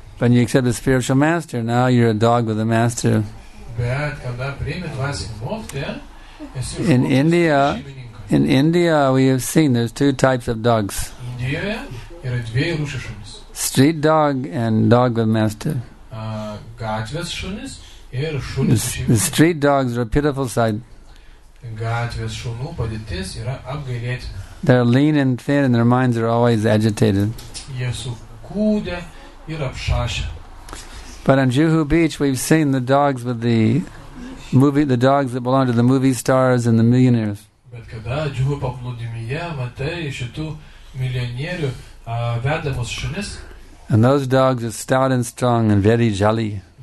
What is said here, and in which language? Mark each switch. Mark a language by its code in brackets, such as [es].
[en] When you accept the spiritual master, now you're a dog with a master. [lt] Bet kada priimi dvasinį mokytoją, [en] In India, we have seen there's 2 types of dogs. [lt] Indijoje yra 2 rūšių šunys. [en] Street dog and dog with master. [lt] Gatvės šunys ir šunys [en] The street dogs are a pitiful sight. [lt] Gatvės šunų padėtis yra apgailėtina. [en] They're lean and thin and their minds are always agitated. [lt] Jie sukūdę ir apšašę. [en] But on Juhu Beach, we've seen the dogs with the movie, the dogs that belong to the movie stars and the millionaires. [lt] Bet kada Juhu paplūdimyje matai šitų milijonierių vedamos šunis. [en] And those dogs are stout and strong and very jolly.